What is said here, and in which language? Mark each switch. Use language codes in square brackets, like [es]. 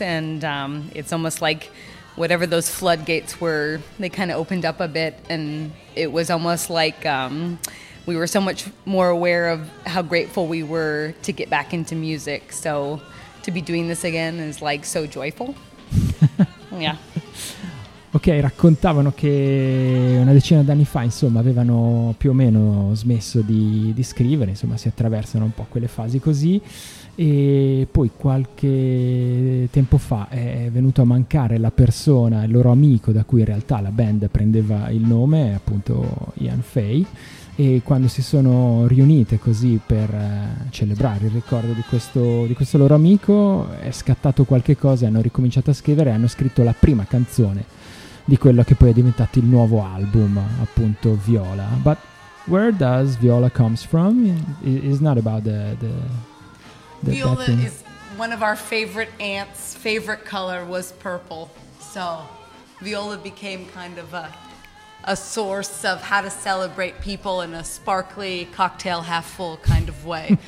[en] And it's almost like whatever those floodgates were, they kind of opened up a bit. And it was almost like... we were so much more aware of how grateful we were to get back into music. So to be doing this again is like so joyful. Yeah. [it] Ok, raccontavano che una decina d'anni fa, insomma, avevano più o meno smesso di scrivere, insomma, si attraversano un po' quelle fasi così. E poi qualche tempo fa è venuto a mancare la persona, il loro amico, da cui in realtà la band prendeva il nome, appunto Ian Faye. E quando si sono riunite così per celebrare il ricordo di questo loro amico, è scattato qualche cosa, hanno ricominciato a scrivere e hanno scritto la prima canzone di quello che poi è diventato il nuovo album, appunto Viola. [en] But where does Viola comes from? It's not about the Viola is one of our favorite aunt's favorite color was purple. So viola became kind of a source of how to celebrate people in a sparkly cocktail half full kind of way.